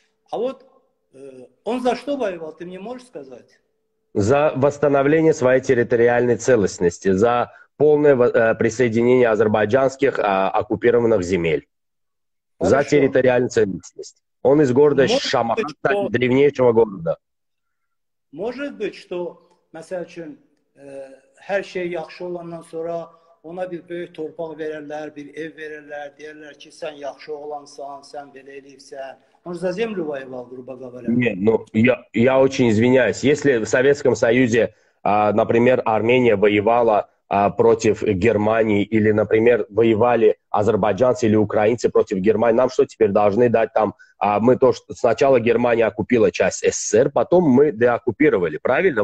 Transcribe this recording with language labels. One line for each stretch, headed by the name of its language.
Russian: А вот он за что воевал, ты мне можешь сказать? За восстановление своей территориальной целостности, за полное присоединение азербайджанских оккупированных земель. Хорошо. За территориальную целостность. Он из города Шамаханта, древнейшего города.
Azerbaijani: Может быть, что, например, her şey yaxşı olandan sonra ona bir böyük torpaq verirler, bir ev verirler, derler ki, sen yaxşı olansan, sen belə eləyibsən.
Russian: Он за землю воевал, грубо говоря. Нет, ну, я очень извиняюсь. Если в Советском Союзе, например, Армения воевала против Германии, или, например, воевали азербайджанцы или украинцы против Германии, нам что теперь должны дать там? Мы то, что сначала Германия оккупила часть СССР, потом мы деоккупировали, правильно?